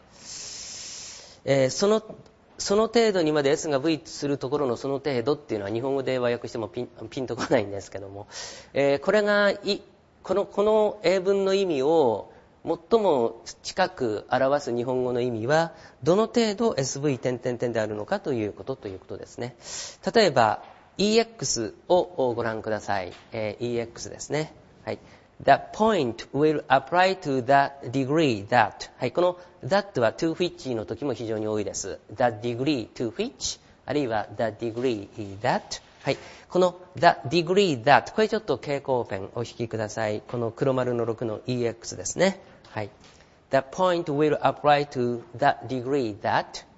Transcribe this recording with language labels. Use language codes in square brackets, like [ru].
[ja] その程度にまで S が V するところのその程度っていうのは日本語で和訳してもピンとこないんですけども、これがこの英文の意味を最も近く表す日本語の意味はどの程度 SV 点点点であるのかということですね。例えば EX をご覧ください。 EX ですね。はい。 [en] The point will apply to the degree that. [ja] はい。この that は to which の時も非常に多いです。 [en] The degree to which [ja] あるいは [en] the degree that。 [ja] はい。この [en] the degree that [ja] これちょっと蛍光ペンお引きください。この黒丸の6の EX ですね。はい。 [en] The point will apply to the degree that.